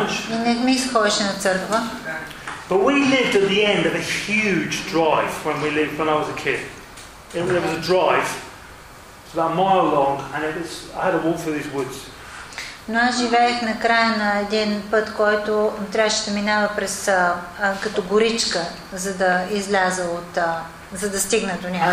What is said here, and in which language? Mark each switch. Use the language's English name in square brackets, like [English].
[Bulgarian] И не ми изходеше на църква. [English] But we lived at the end of a huge drive when I was a kid. It was a drive. It was about a mile long and I had to walk through these woods. [Bulgarian] Но аз живеех на края на един път, който трябваше да минава през като горичка, за да изляза от за да стигна до